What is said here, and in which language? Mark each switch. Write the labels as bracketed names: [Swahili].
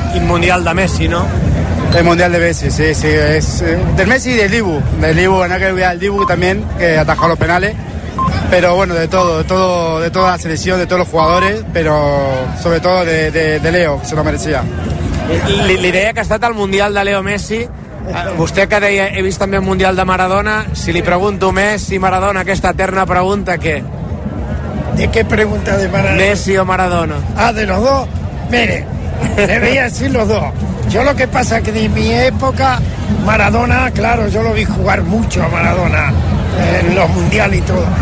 [Spanish] El mundial de Messi, ¿no? El mundial de Messi, sí, es del Messi y del Dibu, no hay que olvidar el Dibu también, que atajó los penales. Pero bueno, de todo, de toda la selección, de todos los jugadores, pero sobre todo de Leo, que se lo merecía. [Catalan] Li deia que ha estat al Mundial de Leo Messi. Vostè que deia, he vist també el Mundial de Maradona. Si li pregunto Messi, Maradona, aquesta eterna pregunta, què? [Spanish] ¿De qué pregunta de Maradona? ¿Messi o Maradona? Ah, de los dos. Mire, le voy a decir los dos. Yo lo que pasa es que de mi época, Maradona, claro, yo lo vi jugar mucho a Maradona en los mundiales y todo.